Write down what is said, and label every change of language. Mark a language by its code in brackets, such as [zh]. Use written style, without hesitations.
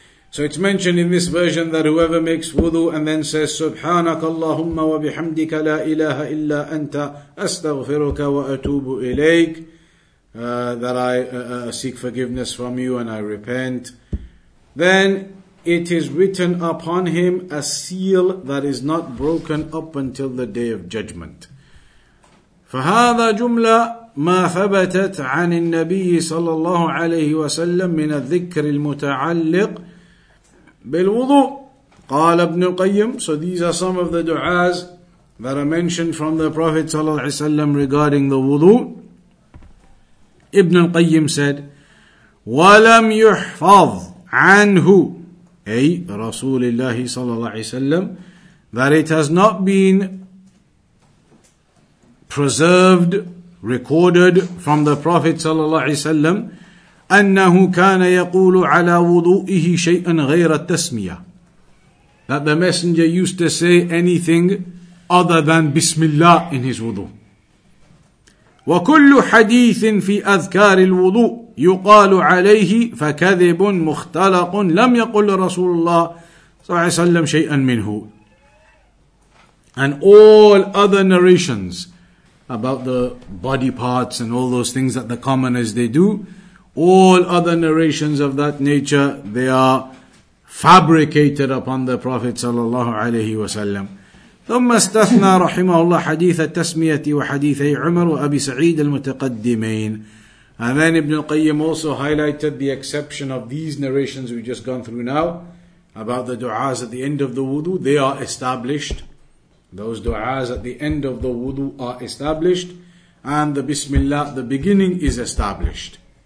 [en] So it's mentioned in this version that whoever makes wudu and then says [ar] سبحانك اللهم وبحمدك لا إله إلا أنت أستغفرك وأتوب إليك, [en] that I seek forgiveness from you and I repent, then it is written upon him a seal that is not broken up until the day of judgment. [ar] فهذا جملة ما ثبتت عن النبي صلى الله عليه وسلم من الذكر المتعلق بالوضوء. قال ابن القيم. [en] So these are some of the du'as that are mentioned from the Prophet صلى الله عليه وسلم regarding the wudu. ابن القيم said, [ar] ولم يحفظ عنه, أي رسول الله صلى الله عليه وسلم, [en] that it has not been preserved, recorded from the Prophet صلى الله عليه وسلم, [ar] أنه كان يقول على وضوئه شيئا غير التسمية, [en] that the messenger used to say anything other than Bismillah in his wudu. [ar] وكل حديث في أذكار الوضوء يقال عليه فكذب مختلق لم يقل رسول الله صلى الله عليه وسلم شيئا منه. [en] And all other narrations about the body parts and all those things that the commoners they do, all other narrations of that nature, they are fabricated upon the Prophet sallallahu alaihi wasallam. [ar] ثم استثنى رحمه الله حديث التسمية وحديثي عمر وأبي سعيد المتقدمين. [en] And then Ibn al-Qayyim also highlighted the exception of these narrations we've just gone through now about the du'as at the end of the wudu. They are established. Those du'as at the end of the wudu are established, and the bismillah at the beginning is established.